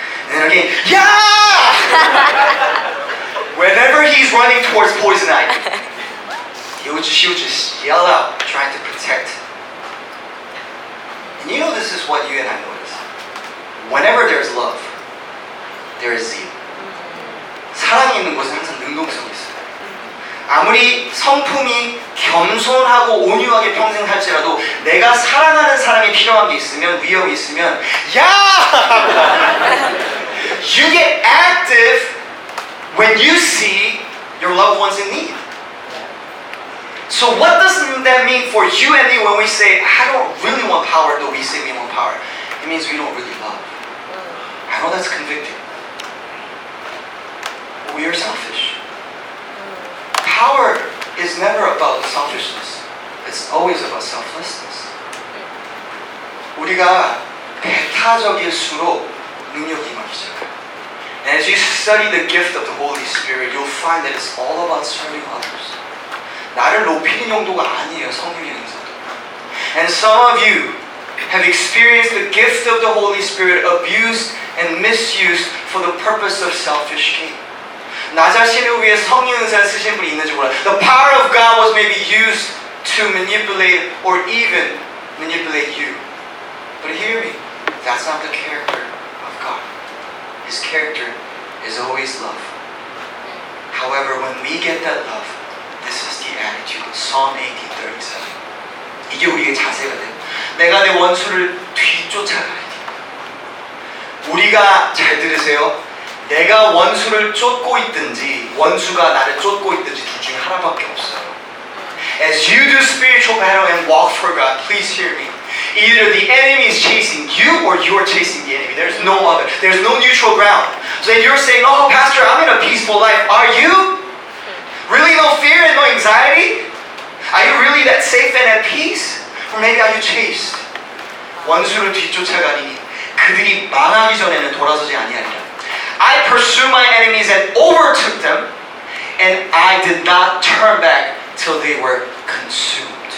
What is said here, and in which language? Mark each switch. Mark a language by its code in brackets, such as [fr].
[en] And then again, yeah! Whenever he's running towards poison ivy, he would just yell out, trying to protect. And you know this is what you and I notice. Whenever there's love, there is zeal. [ko] 사랑이 있는 곳은 항상 능동성이 있어요. 아무리 성품이 겸손하고 온유하게 평생 살지라도 내가 사랑하는 사람이 필요한 게 있으면, 위험이 있으면, yeah! [en] You get active when you see your loved ones in need. So what does that mean for you and me when we say, I don't really want power, though we say we want power? It means we don't really love. I know that's convicting. But we are selfish. Power is never about selfishness. It's always about selflessness. [ko] 우리가 배타적일수록 능력이 많이 시작해. [en] As you study the gift of the Holy Spirit, you'll find that it's all about serving others. [ko] 나를 높이는 용도가 아니에요, 성령의 용도. [en] And some of you have experienced the gift of the Holy Spirit abused and misused for the purpose of selfish gain. [ko] 나 자신을 위해 성령의 용도를 쓰신 분이 있는지 몰라요. [en] The power of God was maybe used to manipulate or even manipulate you. But hear me, that's not the character. His character is always love. However, when we get that love, this is the attitude. [ko] Psalm 18:37. 이게 우리의 자세가 돼. 내가 내 원수를 뒤쫓아가야 돼. 우리가 잘 들으세요. 내가 원수를 쫓고 있든지 원수가 나를 쫓고 있든지 둘 중에 하나밖에 없어요. [en] As you do spiritual battle and walk for God, please hear me. Either the enemy is chasing you or you're chasing the enemy. There's no other. There's no neutral ground. So if you're saying, oh, pastor, I'm in a peaceful life. Are you? Really no fear and no anxiety? Are you really that safe and at peace? Or maybe are you chased? [ko] 원수를 뒤쫓아가리니 그들이 망하기 전에는 돌아서지 아니하리라. [en] I pursued my enemies and overtook them, and I did not turn back till they were consumed.